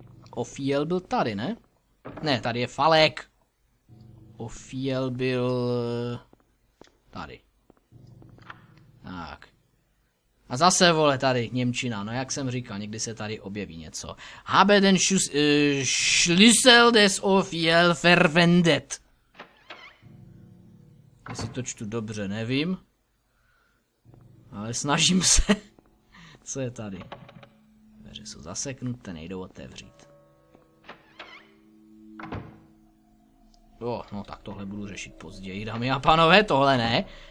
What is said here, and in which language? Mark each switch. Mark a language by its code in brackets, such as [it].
[cs] Ofiel byl tady, ne? Ne, tady je Falek. Ofiel byl... Tady. Tak. A zase, vole, tady němčina. No, jak jsem říkal, někdy se tady objeví něco. [de] Habe den Schlüssel des Ofiel verwendet. [cs] Jestli to čtu dobře, nevím. Ale snažím se. Co je tady? Dveře jsou zaseknuté, nejdou otevřít. Jo, no tak tohle budu řešit později, dámy a pánové, tohle ne.